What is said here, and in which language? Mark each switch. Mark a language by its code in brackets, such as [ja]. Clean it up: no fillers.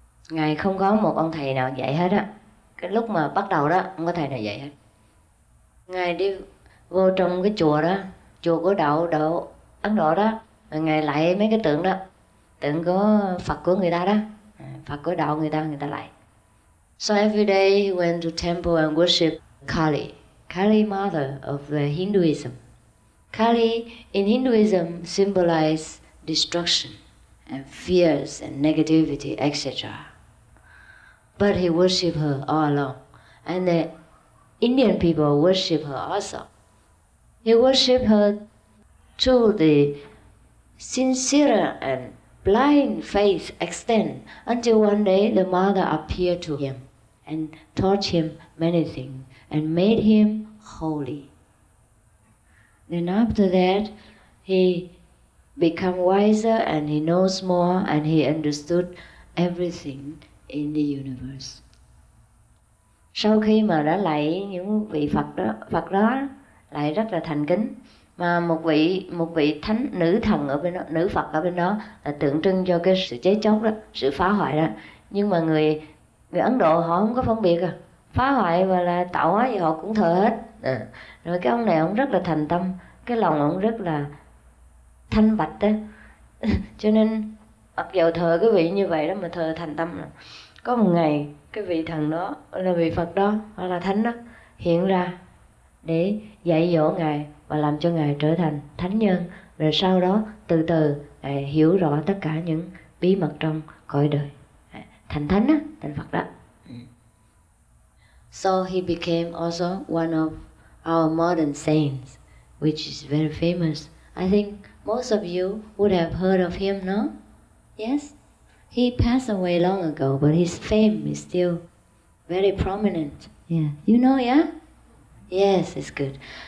[vi] Ngài không có một ông thầy nào dạy hết á. Cái lúc mà bắt đầu đó, không có thầy nào dạy hết. Ngài đi vô trong cái chùa đó, chùa của đạo đạo Ấn Độ đó, rồi ngài lại mấy cái tượng đó, tượng có Phật của người ta đó, Phật của đạo người ta lại. [en] So every day he went to temple and worship Kali, Kali mother of the Hinduism. Kali in Hinduism symbolizes destruction and fears and negativity, etc. But he worshiped her all along. And the Indian people worship her also. He worshiped her through the sincere and blind faith extent until one day the mother appeared to him and taught him many things and made him holy. Then after that, he became wiser and he knows more and he understood everything in the universe. [vi] Sau khi mà đã lạy những vị Phật đó lại rất là thành kính, mà một vị thánh nữ thần ở bên đó, nữ Phật ở bên đó là tượng trưng cho cái sự chết chóc đó, sự phá hoại đó. Nhưng mà người Ấn Độ họ không có phân biệt à, phá hoại và là tạo hóa gì họ cũng thờ hết. Rồi cái ông này ông rất là thành tâm, cái lòng ông rất là thanh bạch đó. Cho nên mặc dầu thờ cái vị như vậy đó mà thờ thành tâm đó. Có một ngày cái vị thần đó là vị Phật đó hoặc là thánh đó hiện ra để dạy dỗ ngài và làm cho ngài trở thành thánh nhân. Rồi sau đó từ từ ngài hiểu rõ tất cả những bí mật trong cõi đời, thành thánh đó, thành Phật đó. [en] So he became also one of our modern saints, which is very famous. I think most of you would have heard of him, no? Yes? He passed away long ago, but his fame is still very prominent. Yeah. You know, yeah? Yes, it's good.